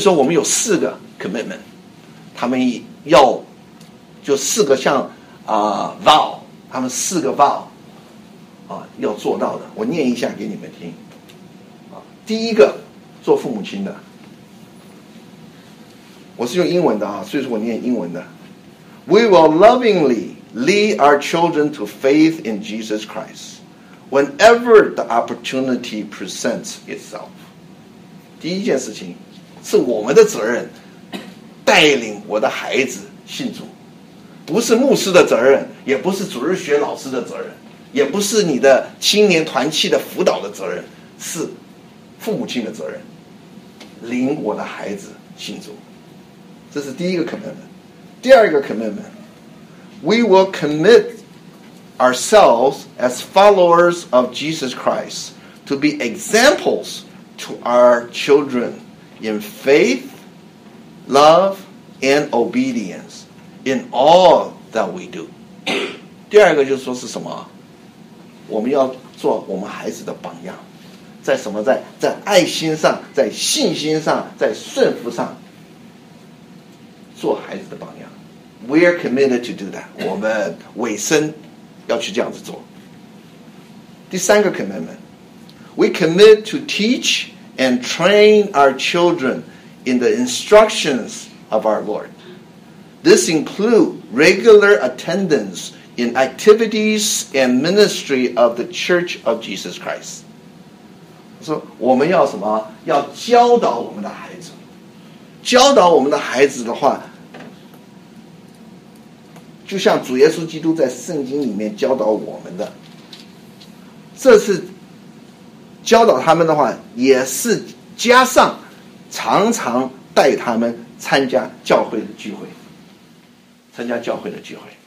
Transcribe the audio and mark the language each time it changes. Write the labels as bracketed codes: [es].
[zh] 所以说我们有四个 commitment， 他们要就四个像vow， 他们四个 vow要做到的，我念一下给你们听。第一个，做父母亲的，我是用英文的啊，所以说我念英文的。 [en] We will lovingly lead our children to faith in Jesus Christ whenever the opportunity presents itself。 [zh] 第一件事情，是我们的责任，带领我的孩子信主，不是牧师的责任，也不是主日学老师的责任。也不是你的青年团契的辅导的责任，是父母亲的责任，领我的孩子信主。这是第一个 [en] commitment。 [zh] 第二个 [en] commitment， We will commit ourselves as followers of Jesus Christ to be examples to our children in faith, love and obedience in all that we do. [zh] 第二个就是说是什么？我们要做我们孩子的榜样，在什么？在爱心上，在信心上，在顺服上，做孩子的榜样。 [en] We are committed to do that. [zh] 我们委身要去这样子做。第三个 [en] commitment, we commit to teach and train our children in the instructions of our Lord. This includes regular attendance in activities and ministry of the Church of Jesus Christ. [zh] So, 我们要什么？要教导我们的孩子。教导我们的孩子的话，就像主耶稣基督在圣经里面教导我们的，这是教导他们的话，也是加上常常带他们参加教会的聚会，参加教会的聚会，